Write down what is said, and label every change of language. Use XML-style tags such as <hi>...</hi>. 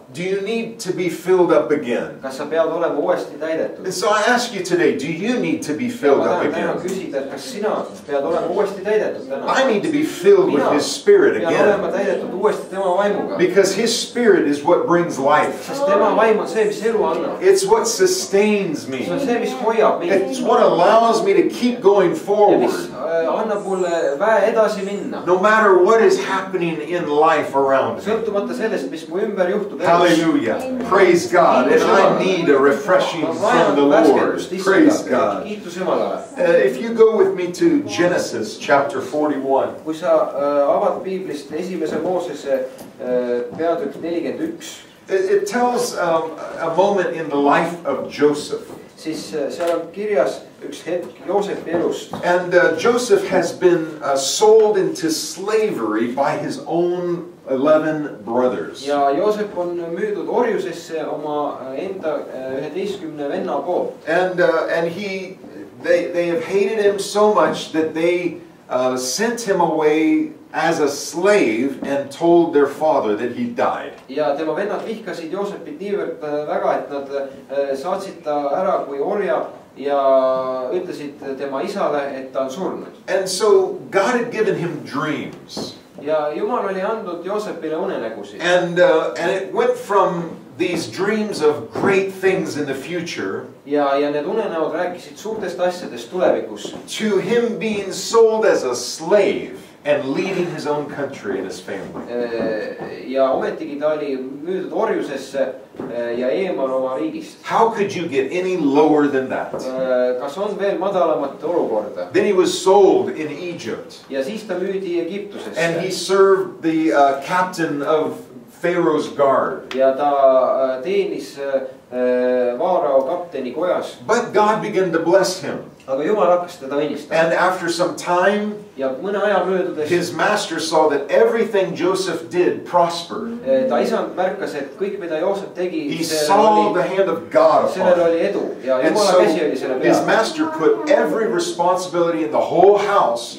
<en>Do you need to be filled up again?</en> <et>Kas sa pead olema uuesti täidetud?</et> <en>And so I ask you today, do you need to be filled up again?</en> <et>Ma küsin, et kas sina pead olema uuesti täidetud täna?</et> <en>I need to be filled with his spirit again.</en> <et>Ma pean olema täidetud uuesti tema vaimuga.</et> <en>Because his spirit is what brings life.</en> <et>Sest tema vaim on see, mis elu annab.</et> <en>It's what sustains me.</en> <et>See on see, mis hoiab mind.</et> <en>It's what allows me to keep going forward.</en> <et>Annab mulle väe edasi minna.</et> <en>No matter what is happening in life around me.</en> <et>Sõltumata sellest, mis mu ümber juhtub.</et> <en>Hallelujah. Praise God. And I need a refreshing from the Lord. Praise God. If you go with me to Genesis chapter 41.</en> <et>Kui sa avad Biiblist esimese Moosese peatükk 41.</et> <en>It tells a moment in the life of Joseph.</en> <et>Siis seal on kirjas üks hetk Joosepi elust.</et> <en>And Joseph has been sold into slavery by his own 11 brothers.</en> <et>Ja Joosep on müüdud orjusesse oma enda 11 venna poolt.</et> <en>And they have hated him so much that they sent him away as a slave and told their father that he died.</en> <et>Ja tema vennad vihkasid Joosepit niivõrd väga, et nad saatsid ta ära kui orja ja ütlesid tema isale, et ta on surnud.</et> <en>And so God had given him dreams.</en> <et>Ja Jumal oli andnud Joosepile unenägusid.</et> <en>And it went from these dreams of great things in the future.</en> <et>Ja need unenäod rääkisid suurtest asjadest tulevikus.</et> <en>To him being sold as a slave and leaving his own country and his family.</en> <et>Ja ometigi ta oli müüdud orjusesse ja eemal oma riigist.</et> <en>How could you get any lower than that?</en> <et>Kas on veel madalamat olukorda?</et> <en>Then he was sold in Egypt.</en> <et>Ja siis ta müüdi Egiptusesse.</et> <en>And he served the captain of Pharaoh's guard.</en> <et>Ja ta teenis Vaarao kapteni kojas.</et> <en>But God began to bless him.</en> <et>Aga Jumal hakkas teda õnnistama.</et> <en>And after some time,</en> <et>ja mõne aja möödudes,</et> <en>his master saw that everything Joseph did prospered.</en> <et>Ta isand märkas, et kõik, mida Joosep tegi,</et> <en>he saw the hand of God upon him.</en> <et>Oli edu. Ja Jumala</et> <en>so</en> <et>käsi oli selle peal.</et> <en>His master put every responsibility in the whole house</en>